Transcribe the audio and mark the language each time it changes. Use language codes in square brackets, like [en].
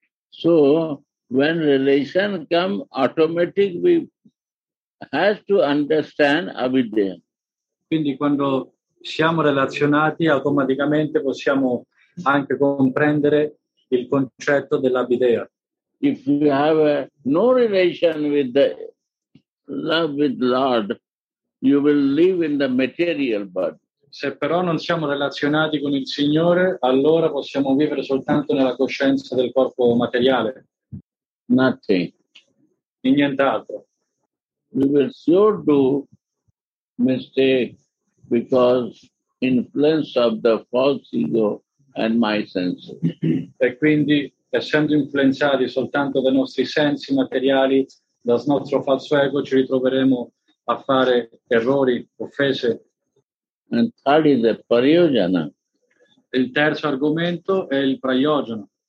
[en] So when relation come automatic we has to understand avideya. [it] Quindi quando siamo relazionati automaticamente possiamo anche comprendere il concetto dell'avideya. [en] If you have no relation with the love with Lord, you will live in the material body. [it] Se però non siamo relazionati con il Signore, allora possiamo vivere soltanto nella coscienza del corpo materiale. [en] Nothing. [it] E nient'altro. [en] We will sure do mistake because influence of the false ego and my senses. [it] E quindi, essendo influenzati soltanto dai nostri sensi materiali, dal nostro falso ego, ci ritroveremo a fare errori, offese. [en] And third is the prayojana. [it] Il terzo argomento è il prayojana.